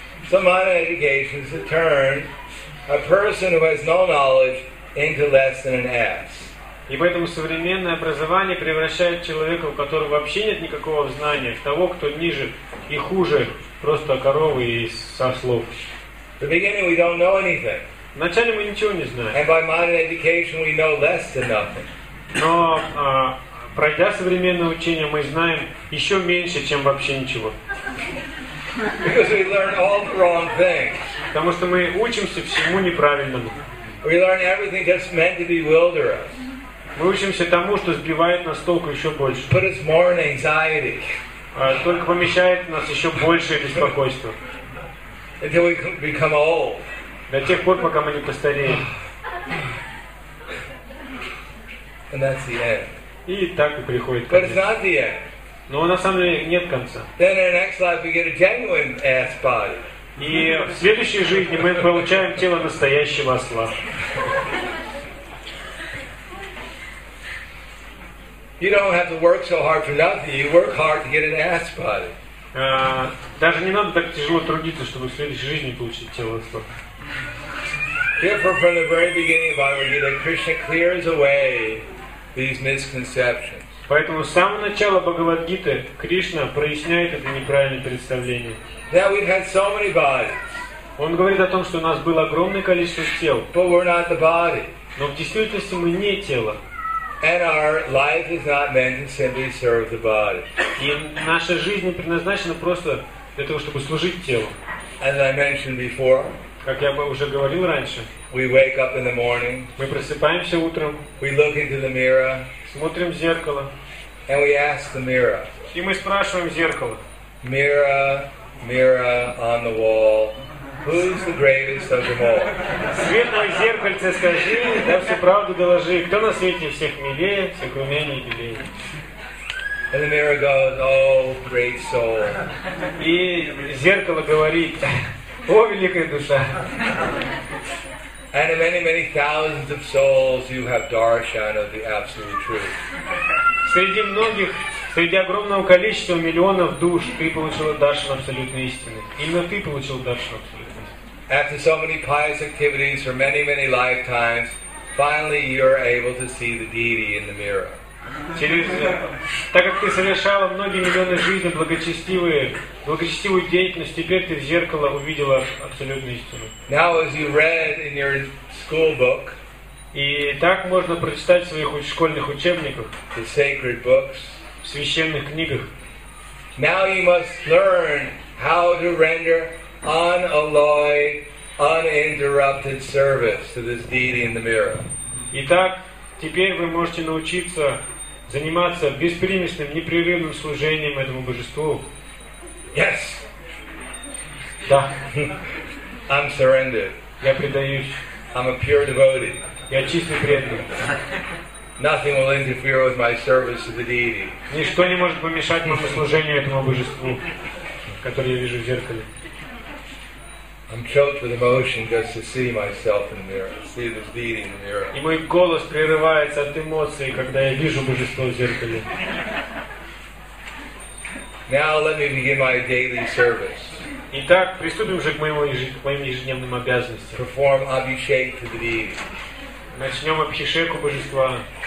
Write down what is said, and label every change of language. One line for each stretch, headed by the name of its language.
English: Some uneducation is to turn a person who has no knowledge into less than an ass.
Russian: И поэтому современное образование превращает человека, у которого вообще нет никакого знания, в того, кто ниже и хуже просто коровы и сослов.
English: In the beginning we don't know anything.
Russian: Вначале мы ничего не знаем.
English: And by modern education we know less than nothing.
Russian: Но пройдя современное учение, мы знаем еще меньше, чем вообще ничего.
English: Because we learn all the wrong things.
Russian: Потому что мы учимся всему неправильному.
English: We learn everything that's meant to bewilder us.
Russian: Мы учимся тому, что сбивает нас с толку еще больше.
English: But it's more an anxiety.
Russian: Только помещает в нас еще большее беспокойство.
English: Until we become old.
Russian: До тех пор, пока мы не постареем.
English: And that's the end.
Russian: И так и приходит конец.
English: But it's not the end.
Russian: Но на самом деле нет конца.
English: Then in the next life we get a genuine ass body.
Russian: И в следующей жизни мы получаем тело настоящего осла.
English: You don't have to work so hard for nothing. You work hard to get an ass body.
Russian: Даже не надо так тяжело трудиться, чтобы в следующей жизни получить тело осла.
English: Therefore, from the very beginning of our Gita, Krishna clears away these misconceptions.
Russian: Поэтому с самого начала Бхагавад-гиты Кришна проясняет это неправильное представление.
English: That we've had so many bodies.
Russian: Он говорит о том, что у нас было огромное количество тел.
English: But we're not the body.
Russian: Но в действительности мы не тело.
English: And our life is not meant to simply serve the body.
Russian: И наша жизнь не предназначена просто для того, чтобы служить телу.
English: As I mentioned before,
Russian: как я уже говорил раньше,
English: we wake up in the morning.
Russian: Мы просыпаемся утром.
English: We look into the mirror.
Russian: Смотрим в зеркало.
English: And we ask the mirror.
Russian: И мы спрашиваем зеркало.
English: Mirror, mirror on the wall. Who's the greatest of them all?
Russian: Свет мой зеркальце, скажи, да всю правду доложи. Кто на свете всех милее, всех умений и белее?
English: And the mirror goes, oh, great soul.
Russian: И зеркало говорит, о, великая душа.
English: And of many, many thousands of souls, you have darshan of the absolute truth.
Russian: Среди многих, среди огромного количества миллионов душ, ты получил даршан абсолютной истины. Именно ты получил даршан абсолютной истины.
English: After so many pious activities for many, many lifetimes, finally you're able to see the deity in the mirror.
Russian: Через, так как ты совершала многие миллионы жизней благочестивые, благочестивую деятельность, теперь ты в зеркало увидела абсолютную истину.
English: Now, as you read in your school book,
Russian: и так можно прочитать в своих школьных учебниках,
English: the sacred books,
Russian: в священных книгах.
English: Now you must learn how to render unalloyed uninterrupted service to this deity in the mirror.
Russian: Итак, теперь вы можете научиться заниматься беспримесным, непрерывным служением этому божеству.
English: Yes.
Russian: Да.
English: I'm surrendered.
Russian: Я предаюсь.
English: I'm a pure devotee.
Russian: Я чистый преданный.
English: Nothing will interfere with my service to the deity.
Russian: Ничто не может помешать моему служению этому божеству, которое я вижу в зеркале.
English: I'm choked with emotion just to see myself in the mirror, see this deity in the mirror.
Russian: И мой голос прерывается от эмоций, когда я вижу божество в зеркале.
English: Now let me begin my daily service.
Russian: Итак, приступим же к моим ежедневным обязанностям.
English: Perform abhishek to the deity.
Russian: Начнем абхишеку божества.